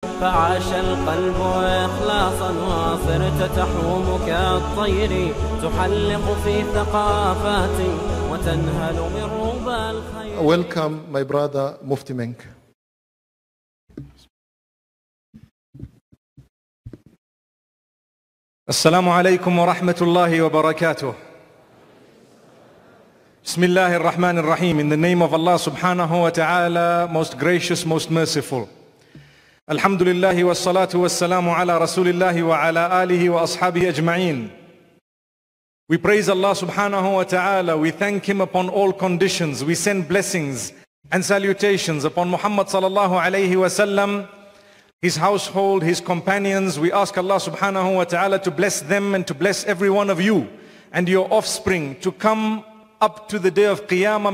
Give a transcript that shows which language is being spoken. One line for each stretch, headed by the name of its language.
Arabic: فعاش القلب إخلاصا وصرت تحومك الطير تحلق في ثقافات وتنهل من ربى الخير.
English: Welcome my brother Mufti Menk.
Arabic: السلام عليكم ورحمة الله وبركاته. بسم الله الرحمن الرحيم.
English: In the name of Allah
Arabic: سبحانه وتعالى,
English: most gracious, most merciful.
Arabic: الحمد لله والصلاة والسلام على رسول الله وعلى آله وأصحابه أجمعين.
English: We praise Allah
Arabic: سبحانه وتعالى.
English: We thank Him upon all conditions. We send blessings and salutations upon Muhammad
Arabic: صلى الله عليه وسلم.
English: His household, his companions, we ask Allah subhanahu wa ta'ala to bless them and to bless every one of you and your offspring to come up to the day of Qiyamah.